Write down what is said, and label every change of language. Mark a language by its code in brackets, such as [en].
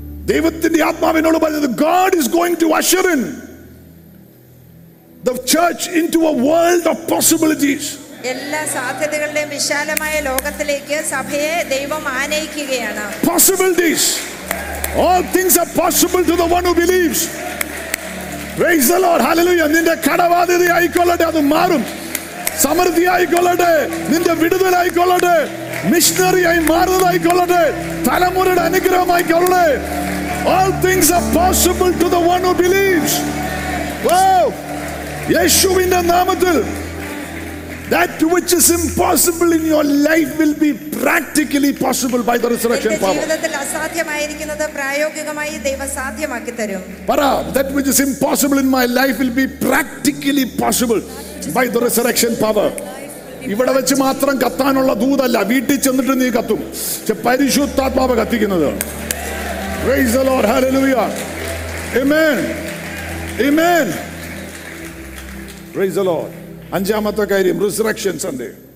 [ml] ദൈവത്തിന്റെ ആത്മാവിനോട് പറഞ്ഞത്, [en] God is going to usher in the church into a world of possibilities. [ml] എല്ലാ സാധ്യതകളുടെയും വിശാലമായ ലോകത്തിലേക്ക് സഭയെ ദൈവം ആനയിക്കുകയാണ്. [en] Possibilities. All things are possible to the one who believes. Praise the Lord. Hallelujah. [ml] നിന്റെ കടബാധിത ആയിക്കൊള്ളട്ടെ, അത് മാറും. സമൃദ്ധി ആയിക്കൊള്ളട്ടെ, നിന്റെ വിടുതലായിക്കൊള്ളട്ടെ, മിഷണറിയായി മാറുന്നതായിക്കൊള്ളട്ടെ, തലമുറയുടെ അനുഗ്രഹമായിക്കൊള്ളട്ടെ. [en] All things are possible to the one who believes. Wow. [ml] യേശുവിന്റെ നാമത്തിൽ, [en] that which is impossible in your life will be practically possible by the resurrection power. [ml] ജീവിതത്തിൽ അസാധ്യമായിരിക്കുന്നത് പ്രായോഗികമായി ദൈവം സാധ്യമാക്കി തരും. [en] പറ, that which is impossible in my life will be practically possible by the resurrection power. [ml] ഇവിടെ വെച്ച് മാത്രം കത്താനുള്ള ദൂതല്ല, വീട്ടിൽ ചെന്നിട്ട് നീ കത്തും. പരിശുദ്ധാത്മാവ് കത്തിക്കുന്നത്. [en] Praise the Lord. Hallelujah. Amen. Amen. Praise the Lord. [ml] അഞ്ചാമത്തെ കാര്യം, റിസറക്ഷൻ സൺഡേ.